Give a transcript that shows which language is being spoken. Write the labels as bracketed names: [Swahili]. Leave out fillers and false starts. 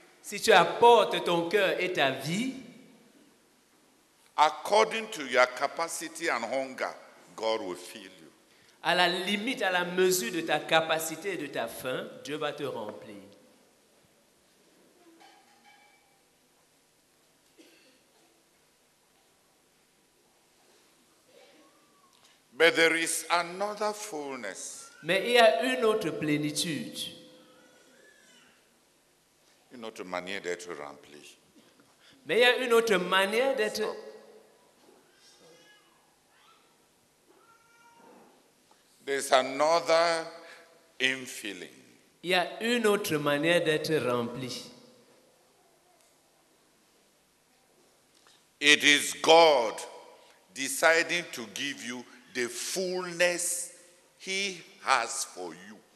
[French] si tu apportes ton cœur et ta vie, [English] according to your capacity and hunger, God will fill you. [French] À la limite, à la mesure de ta capacité et de ta faim, Dieu va te remplir. [English] But there is another fullness. [French] Mais il y a une autre plénitude. Une autre manière d'être rempli. Mais il y a une autre manière d'être. [English] There's another infilling. [French] Il y a une autre manière d'être rempli. [English] It is God deciding to give you the fullness He has for you.